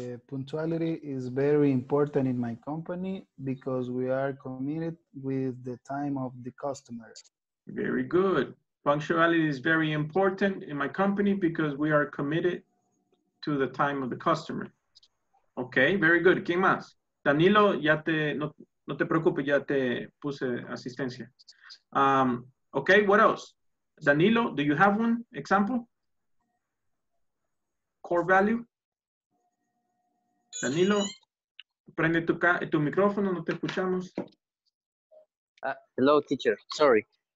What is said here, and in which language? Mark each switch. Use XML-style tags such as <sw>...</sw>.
<en>Punctuality is very important in my company because we are committed with the time of the customer. Very good. Punctuality is very important in my company because we are committed to the time of the customer. Okay, very good.</en> <es>¿Quién más? Danilo, ya te no te preocupes, ya te puse asistencia.</es> <en>Okay, what else? Danilo, do you have one example? core value?</en> <es>Danilo, prende tu micrófono, no te escuchamos.</es> <en>Hello, teacher. Sorry.</en>